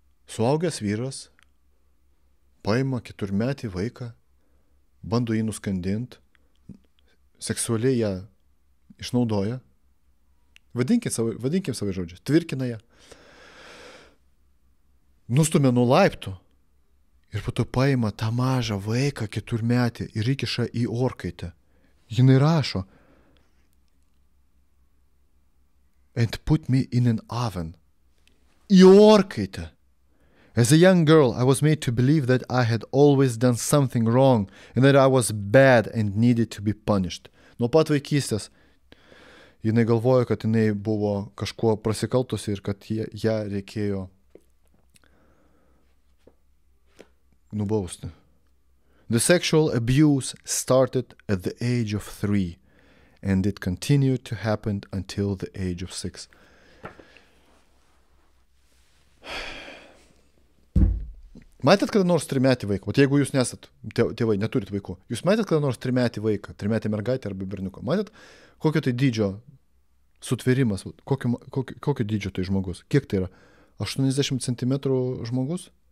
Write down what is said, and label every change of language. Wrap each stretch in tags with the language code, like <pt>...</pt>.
<lt>Suaugęs vyras paima 4-metį vaiką, bando jį nuskandinti, seksualiai ją išnaudoja, vadinkim savo žodžiu, tvirkina ją, nustumia nuo laiptų ir po to paima tą mažą vaiką 4-metį ir įkiša į orkaitę. Jinai rašo,</lt> <en>and put me in an oven,</en> <lt>į orkaitę.</lt> <en>As a young girl, I was made to believe that I had always done something wrong and that I was bad and needed to be punished.</en> <lt>Nuo pat vaikystės jinai galvojo, kad jinai buvo kažkuo prasikaltusi ir kad ją reikėjo nubausti.</lt> <en>The sexual abuse started at the age of 3 and it continued to happen until the age of 6.</en> <lt>Matėt kada nors 3-metį vaiką? O jeigu jūs nesat, tėvai, neturit vaikų, jūs matėt kada nors 3-metį vaiką, 3-metį mergaitę arba berniuką? Matėt, kokio tai dydžio sutvėrimas, kokio dydžio tai žmogus? Kiek tai yra? 80 cm žmogus?</lt>